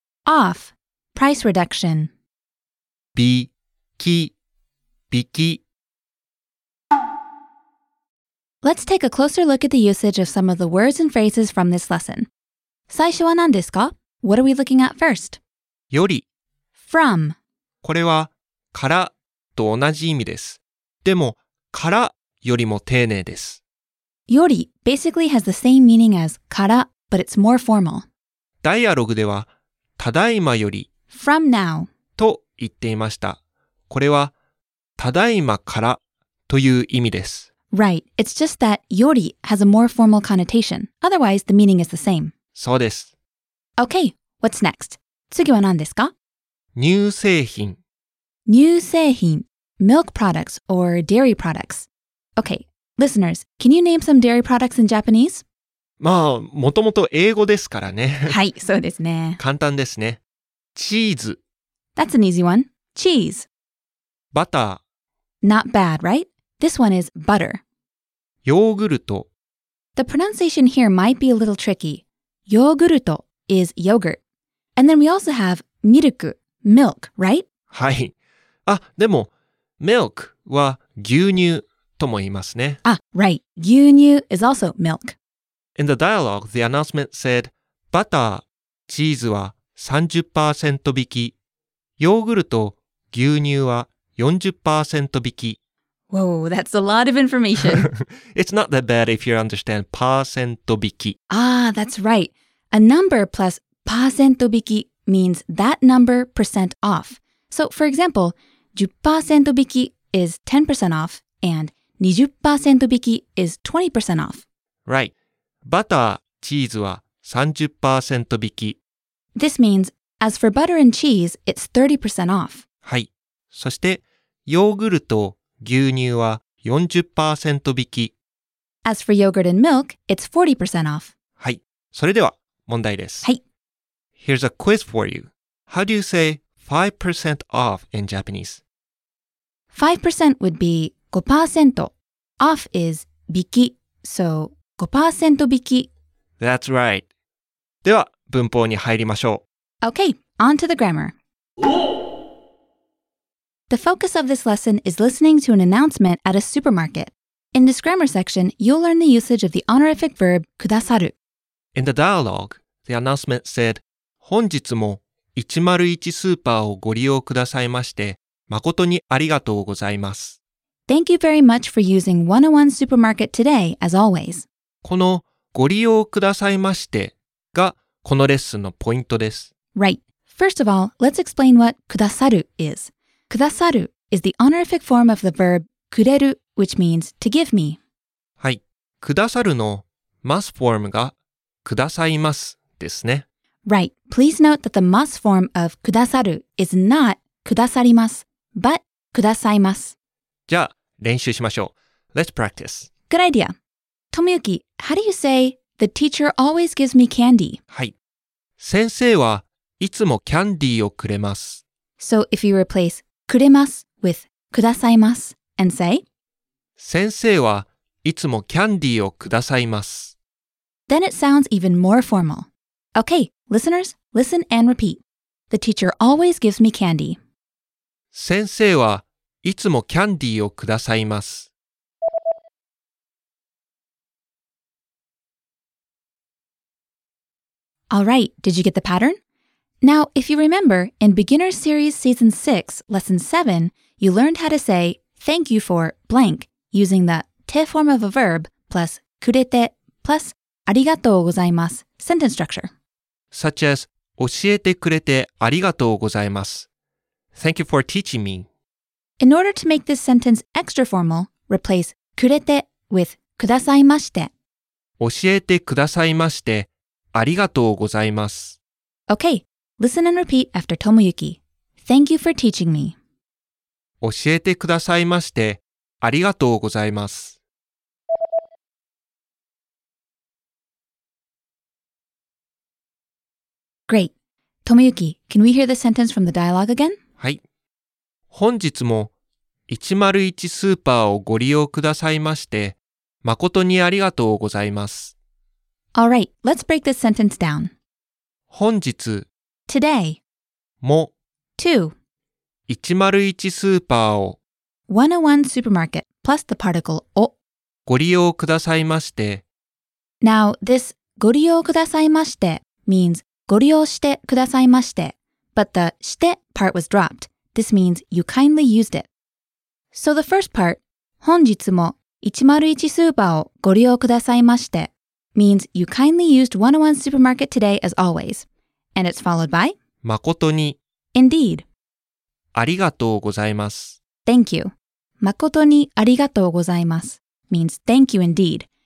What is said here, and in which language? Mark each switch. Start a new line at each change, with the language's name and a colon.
English: Off, price reduction
Japanese: 引き引き
English: Let's take a closer look at the usage of some of the words and phrases from this lesson.
Japanese: 最初は何ですか?
English: What are we looking at first?
Japanese: より
English: From
Japanese: これはからと同じ意味です。でもからよりも丁寧です。
English: より basically has the same meaning as から, but it's more formal.
Japanese: ダイアログではただいまより
English: From now
Japanese: と言っていました。これはただいまからという意味です。
English: Right, it's just that より has a more formal connotation. Otherwise, the meaning is the same.
Japanese: そうです。
English: Okay, what's next?
Japanese: 次は何ですか? 乳製品。乳製品。
English: Milk products or dairy products. Okay, listeners, can you name some dairy products in Japanese?
Japanese: まあ、もともと英語ですからね。はい、そうですね。簡単ですね。チーズ。
English: That's an easy one. Cheese.
Japanese: バター。
English: Not bad, right? This one is butter.
Japanese: ヨーグルト。
English: The pronunciation here might be a little tricky. ヨーグルト is yogurt. And then we also have milk, milk, right?
Japanese: はい。あ、でも、
English: milk
Japanese: は牛乳とも言いますね。
English: あ、right. 牛乳 is also milk. In the dialogue, the announcement said,
Japanese: バター、チーズは 30% 引き、ヨーグルト、牛乳は 40% 引き。
English: Whoa, that's a lot of information. It's not that bad if you understand percento biki. Ah, that's right. A number plus percento biki means that number percent off. So, for example, 10% biki is 10% off and 20% biki is 20% off. Right. Butter, cheese は 30% biki. This means, as for butter and cheese, it's 30% off.
Japanese: はい。そして、ヨーグルト牛乳は 40% 引き。
English: As for yogurt and milk, it's 40% off.
Japanese: はい。それでは問題です。はい。
English: Here's a quiz for you. How do you say 5% off in Japanese? 5% would be 5%. Off is 引き。 So 5% 引き。 That's right.
Japanese: では文法に入りましょう。
English: Okay, on to the grammar. The focus of this lesson is listening to an announcement at a supermarket. In this grammar section, you'll learn the usage of the honorific verb kudasaru. In the dialogue, the announcement said,
Japanese: 本日も101スーパーをご利用くださいまして、誠にありがとうございます。
English: Thank you very much for using 101 supermarket today, as always. このご利用くださいましてがこのレッスンのポイントです。 Right. First of all, let's explain what kudasaru is. くださる is the honorific form of the verb くれる which means to give me.
Japanese: はい。くださるの
English: must form
Japanese: がくださいますですね。
English: Right. Please note that the must form of くださる is not くださります but くださいます。
Japanese: じゃあ、練習しましょう。
English: Let's practice. Good idea. Tomoyuki, how do you say the teacher always gives me candy?
Japanese: はい。先生はいつもキャンディーをくれます。
English: So if you replace くれます with くださいます and say
Japanese: 先生はいつもキャンディーをくださいます。
English: Then it sounds even more formal. Okay, listeners, listen and repeat. The teacher always gives me candy.
Japanese: 先生はいつもキャンディーをくださいます。
English: Alright, did you get the pattern? Now, if you remember, in Beginner Series Season 6, Lesson 7, you learned how to say thank you for blank using the te form of a verb plus kurete plus arigatou gozaimasu sentence structure. Such as,
Japanese: 教えてくれてありがとうございます.
English: Thank you for teaching me. In order to make this sentence extra formal, replace kurete with kudasaimashite.
Japanese: 教えてくださいまして。ありがとうございます。
English: Okay, listen and repeat after Tomoyuki. Thank you for teaching me.
Japanese: 教えてくださいまして、ありがとうございます。
English: Great. Tomoyuki, can we hear the sentence from the dialogue again?
Japanese: はい。本日も101スーパーをご利用くださいまして、誠にありがとうございます。
English: Alright, let's break this sentence down.
Japanese: 本日
English: Today
Japanese: も
English: To
Japanese: 101スーパーを
English: 101 supermarket plus the particle を
Japanese: ご利用くださいまして
English: Now, this ご利用くださいまして means ご利用してくださいまして But the して part was dropped. This means you kindly used it. So the first part
Japanese: 本日も101スーパーをご利用くださいまして
English: means you kindly used 101 supermarket today as always. And it's followed by
Japanese: 誠に
English: Indeed.
Japanese: ありがとうございます。
English: Thank you.
Japanese: 誠にありがとうございます
English: means thank you indeed.